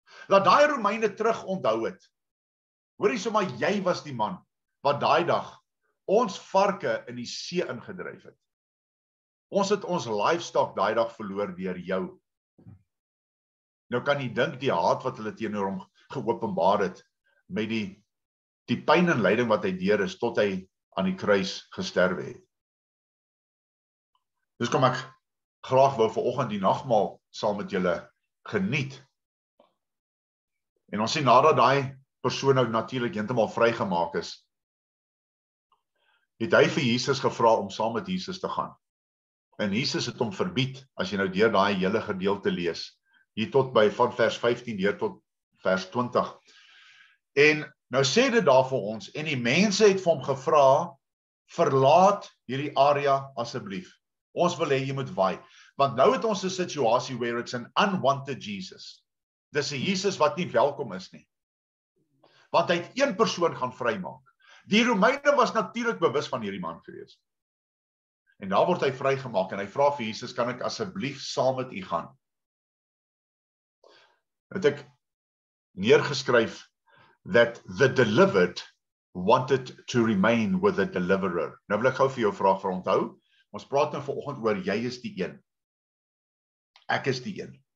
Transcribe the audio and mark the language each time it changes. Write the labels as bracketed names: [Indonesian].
[Afrikaans] Laat die Romeine terug onthou het. Hoor jy sommer, jy was die man wat daai dag ons varke in die see ingedryf het. Ons het ons livestock daai dag verloor deur jou. Nou kan jy dink die haat wat hulle teenoor hom geopenbaar het, met die pyn en lyding wat hy deur is, tot hy aan die kruis gesterf het. Dus kom ek graag wou vanoggend die nagmaal saam met julle geniet. En ons sien nadat daai persoon nou natuurlik heeltemal vrygemaak is, het hy vir Jesus gevra om saam met Jesus te gaan. En Jesus het hom verbied, as jy nou deur daai hele gedeelte lees, hier tot by van vers 15 deur tot vers 20. En nou sê dit daar vir ons, en die mense het vir hom gevra, verlaat hierdie area asseblief. Ons wil hê jy moet waai. Want nou het ons 'n situasie [English] where it's an unwanted Jesus. [Afrikaans] Dis 'n Jesus wat nie welkom is nie. Want hy het een persoon gaan vrymaak. Die Romeine was natuurlijk bewus van hierdie man gewees. En daar word hy vrygemaak en hy vraag vir Jesus, kan ek asseblief saam met u gaan? Het ek neergeskryf, [English] that the delivered wanted to remain with the deliverer. [Afrikaans] Nou wil ek gauw vir jou vraag vir onthou, ons praat nou vanoggend oor, jy is die een. Ek is die een.